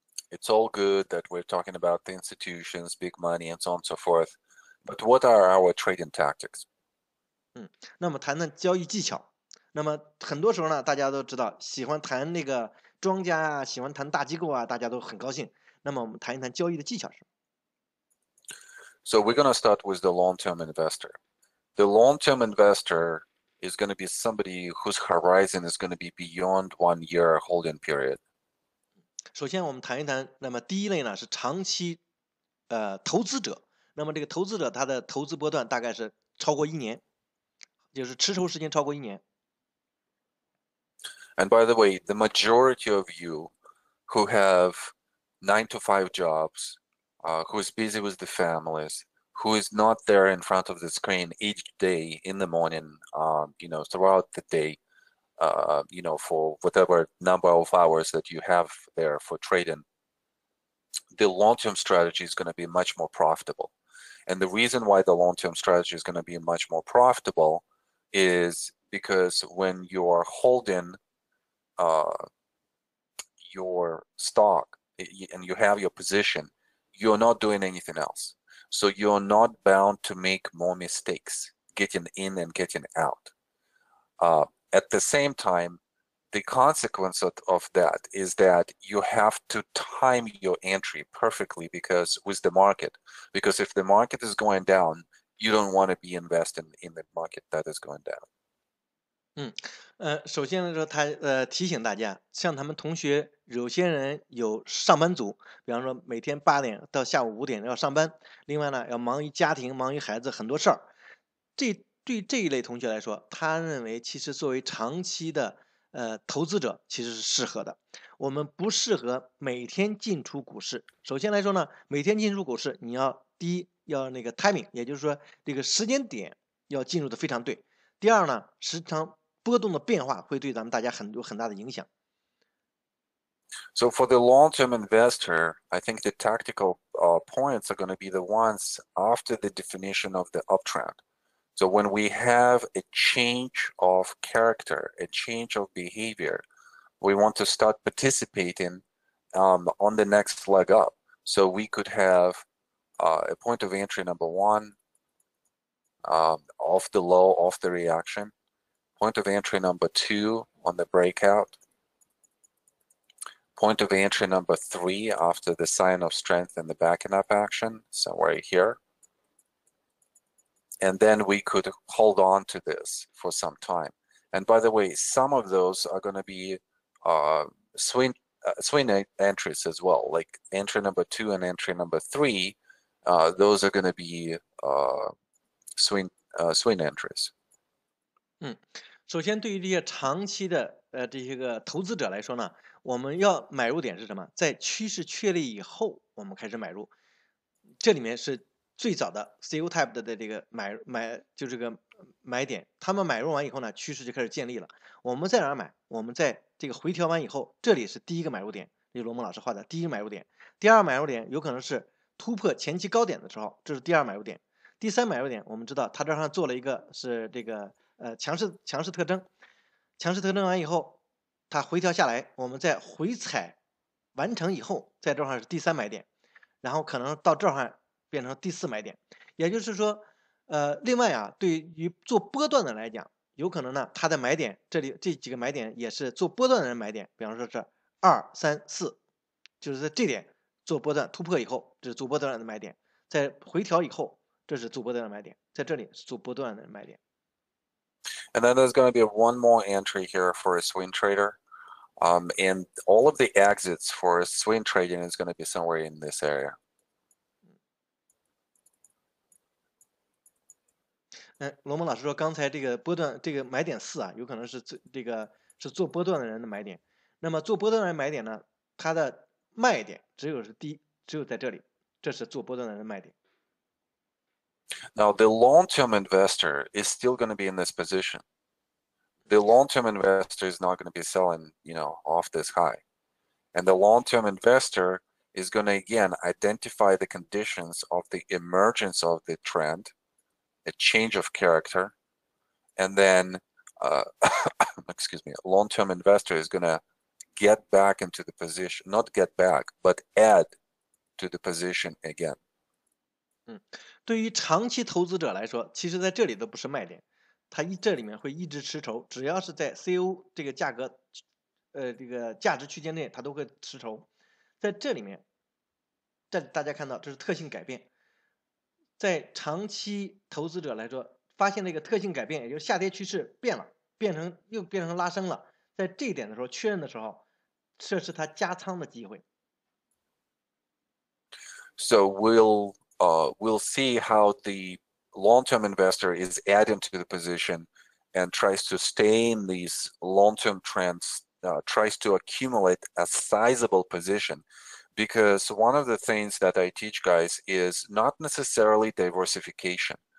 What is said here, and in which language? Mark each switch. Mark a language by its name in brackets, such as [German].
[English] It's all good that we're talking about the institutions, big money, and so on and so forth. But what are our trading tactics? [Chinese] 那么谈谈交易技巧。那么很多时候呢，大家都知道，喜欢谈那个庄家啊，喜欢谈大机构啊，大家都很高兴。那么我们谈一谈交易的技巧是。 [English] So we're going to start with the long-term investor. The long-term investor is going to be somebody whose horizon is going to be beyond 1 year holding period. [Chinese] 首先我们谈一谈，那么第一类呢是长期投资者，那么这个投资者他的投资波段大概是超过一年，就是持筹时间超过一年。 [English] And by the way, the majority of you who have 9-to-5 jobs, who is busy with the families,who is not there in front of the screen each day in the morning, you know, throughout the day, you know, for whatever number of hours that you have there for trading, the long-term strategy is going to be much more profitable. And the reason why the long-term strategy is going to be much more profitable is because when you are holding your stock and you have your position, you're not doing anything else. So you're not bound to make more mistakes, getting in and getting out. At the same time, the consequence of that is that you have to time your entry perfectly because with the market. Because if the market is going down, you don't want to be investing in the market that is going down. [Chinese] 首先来说他提醒大家，像他们同学有些人有上班族，比方说每天8点到下午5点要上班，另外呢要忙于家庭，忙于孩子，很多事儿。这对这一类同学来说，他认为其实作为长期的投资者其实是适合的。我们不适合每天进出股市。首先来说呢，每天进入股市，你要第一要那个 timing，也就是说这个时间点要进入的非常对。第二呢，时常波动的变化会对咱们大家很有很大的影响。 [English] So for the long-term investor, I think the tactical points are going to be the ones after the definition of the uptrend. So when we have a change of character, a change of behavior, we want to start participating on the next leg up. So we could have a point of entry number one off the low, off the reaction. Point of entry number two on the breakout. Point of entry number three after the sign of strength and the backing up action, somewhere here. And then we could hold on to this for some time. And by the way, some of those are going to be swing entries as well. Like entry number two and entry number three, those are going to be swing entries. [Chinese] 首先，对于这些长期的这些个投资者来说呢，我们要买入点是什么？在趋势确立以后，我们开始买入。这里面是最早的 CU type 的这个就这个买点。他们买入完以后呢，趋势就开始建立了。我们在哪儿买？我们在这个回调完以后，这里是第一个买入点，就是龙门老师画的第一个买入点。第二买入点有可能是突破前期高点的时候，这是第二买入点。第三买入点，我们知道他这上做了一个是这个。强势特征，强势特征完以后，它回调下来，我们再回踩完成以后，在这块是第三买点，然后可能到这块变成第四买点。也就是说，另外啊，对于做波段的来讲，有可能呢，它的买点这里这几个买点也是做波段的人买点，比方说是二三四，就是在这点做波段突破以后，这是做波段的买点，在回调以后，这是做波段的买点，在这里是做波段的买点。 [English] And then there's going to be one more entry here for a swing trader. And all of the exits for a swing trading is going to be somewhere in this area. [Chinese] 龙门老师说，刚才这个波段这个买点四啊，有可能是这个是做波段的人的买点。那么做波段的人买点呢，它的卖点只有在这里，这是做波段的人卖点。 [English] Now, the long-term investor is still going to be in this position. The long-term investor is not going to be selling, off this high. And the long-term investor is going to again identify the conditions of the emergence of the trend, a change of character, and then excuse me, long-term investor is going to get back into the position, not get back, but add to the position again. [Chinese] 对于长期投资者来说，其实在这里都不是卖点，他这里面会一直持筹，只要是在 CU 这个价格，这个价值区间内，他都会持筹。在这里面，这大家看到这是特性改变，在长期投资者来说，发现了一个特性改变，也就是下跌趋势变了，又变成拉升了。在这一点的时候，确认的时候，这是他加仓的机会。 [English] So we'll see how the long-term investor is adding to the position and tries to stay in these long-term trends, tries to accumulate a sizable position. Because one of the things that I teach guys is not necessarily diversification.